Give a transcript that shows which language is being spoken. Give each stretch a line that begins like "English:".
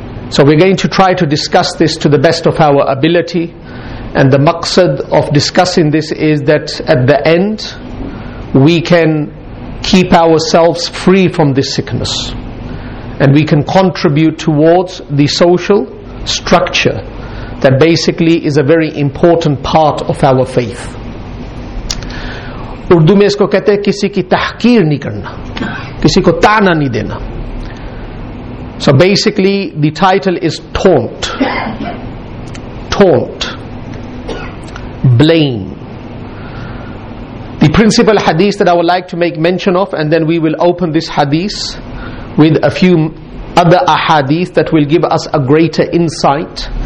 English: So we're going to try to discuss this to the best of our ability, and the maqsad of discussing this is that at the end we can keep ourselves free from this sickness and we can contribute towards the social structure that basically is a very important part of our faith.
Urdu: Urdu میں اسکو کہتے ہے کسی کی تحقیر نہیں کرنا، کسی کو طعنہ نہیں دینا۔
English: So basically, the title is taunt, blame. The principal hadith that I would like to make mention of, and then we will open this hadith with a few other ahadith that will give us a greater insight.